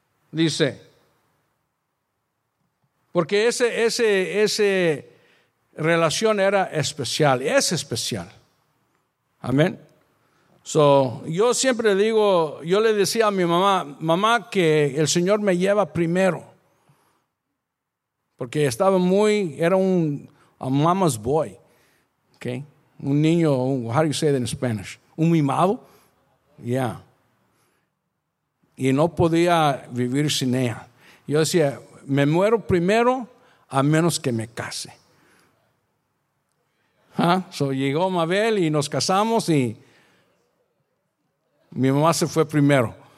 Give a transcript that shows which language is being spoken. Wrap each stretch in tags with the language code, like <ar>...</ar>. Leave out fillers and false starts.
<es>Dice, porque ese relación era especial, es especial. Amén. So, yo siempre digo, yo le decía a mi mamá, mamá, que el Señor me lleva primero. Porque estaba muy, era un</es> <en>a mama's boy. Okay?</en> <es>Un niño,</es> <en>how do you say that in Spanish?</en> <es>Un mimado. Yeah. Y no podía vivir sin ella. Yo decía, me muero primero a menos que me case. So, llegó Mabel y nos casamos y mi mamá se fue primero.</es>